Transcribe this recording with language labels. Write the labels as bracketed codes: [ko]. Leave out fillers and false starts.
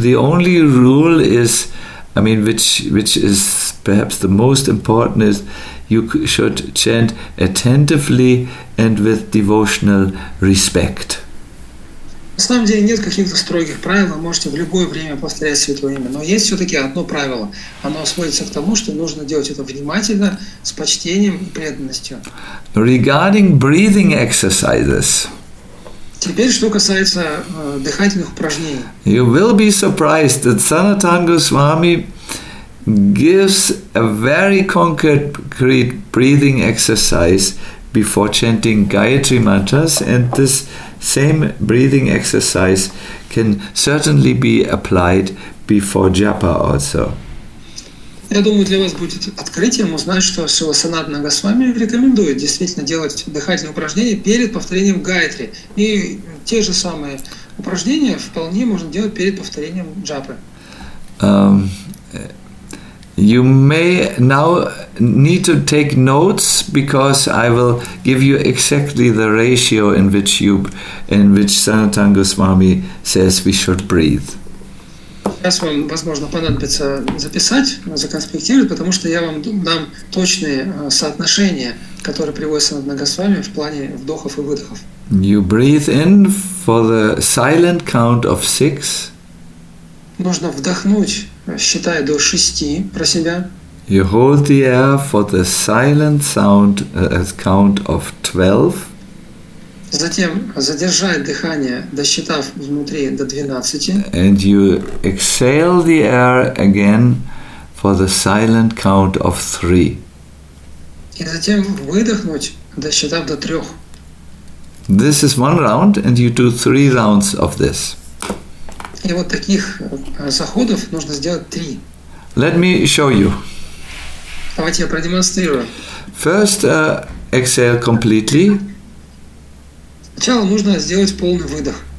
[en] The only rule is, I mean, which is perhaps the most important, is you should chant attentively and with devotional respect. [ru] На самом деле нет каких-то строгих правил, вы можете в любое время повторять святое имя. Но есть все-таки одно правило. Оно сводится к тому, что нужно делать это внимательно, с почтением и преданностью. [en] Regarding breathing exercises. [ru] Теперь, что касается дыхательных упражнений. [en] You will be surprised that Sanatana Goswami gives a very concrete breathing exercise before chanting Gayatri mantras, and this same breathing exercise can certainly be applied before japa also. [ru] Я думаю, для вас будет открытием узнать, что Шрила Санатана Госвами рекомендует действительно делать дыхательные упражнения перед повторением Гайатри. И те же самые упражнения вполне можно делать перед повторением джапы. [en] You may now need to take notes, because I will give you exactly the ratio in which Sanatana Goswami says we should breathe. [ru] Сейчас вам, возможно, понадобится записать, законспектировать, потому что я вам дам точные соотношения, которые приводятся Sanatana Goswami в плане вдохов и выдохов. [en] You breathe in for the silent count of six. [ru] Нужно вдохнуть, считая до шести про себя. [en] You hold the air for the silent sound as count of 12. [ru] Затем задержать дыхание, досчитав внутри до 12. [en] And you exhale the air again for the silent count of 3. [ru] И затем выдохнуть, досчитав до 3. [en] This is one round, and you do 3 rounds of this. [ru] И вот таких заходов нужно сделать 3. [en] Let me show you. [ru] Давайте я продемонстрирую. [en] First, exhale completely. [ru] Сначала нужно сделать полный выдох.